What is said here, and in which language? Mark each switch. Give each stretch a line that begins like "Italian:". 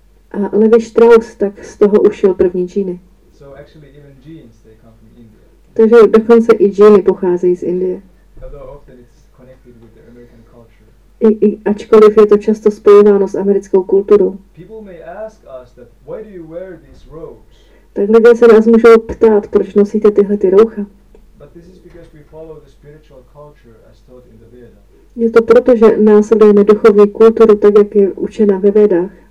Czech: A Levi Strauss tak z toho ušil první džíny.
English: So actually even jeans, they come from India.
Czech: Takže dokonce i džíny pocházejí z Indie.
English: Although often it's connected with the American culture.
Czech: I ačkoliv je to často spojováno s americkou kulturou.
English: People may ask us that why do you wear these robes?
Czech: Tak lidé se nás můžou ptát, proč nosíte tyhle ty roucha.
English: But this is because we follow the spiritual culture as taught in the Veda.
Czech: Je to proto, že následujeme duchovní kulturu tak, jak je učena ve Vedách.